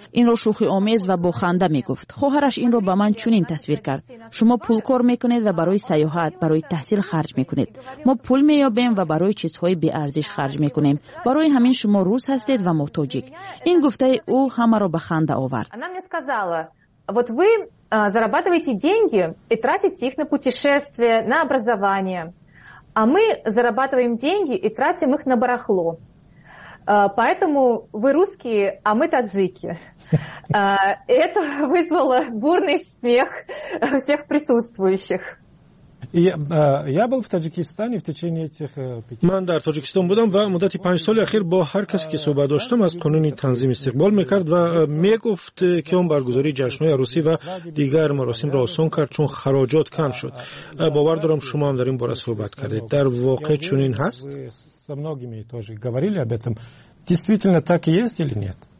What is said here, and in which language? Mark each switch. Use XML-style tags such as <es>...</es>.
<fa>این را شوخی آمیز و بخنده می گفت. خواهرش این را به من چنین تصویر کرد. شما پول کار می کنید و برای سیاحت، برای تحصیل خرج می کنید. ما پول می یابیم و برای چیزهای بی ارزش خرج می کنیم. برای همین شما روس هستید و محتاجیک. این گفته او همه را بخنده آورد.</fa> <ru>انا می сказала, вот вы зарабатываете деньги и тратите их на путешествия, на образование. А мы зарабатываем деньги и тратим их на барахло. Поэтому вы русские, а мы таджики. Это вызвало бурный смех всех присутствующих. Я был в Таджикистане в течение этих 5</ru> <tg>лет. Ман дар Таджикистан будам ва муддати 5 соли ахир бо ҳар касе ки суҳбат доштам аз қонуни танзим истиқбол мекард ва мегуфт ки он баргузори ҷашнҳои арусӣ ва дигар маросимро осон кард чун хароҷот кам шуд. Бовар дорам шумо ҳам дар ин бора суҳбат кардед. Дар воқеъ чунин ҳаст?</tg> <ru>Со многими тоже говорили об этом. Действительно так и есть или нет?</ru>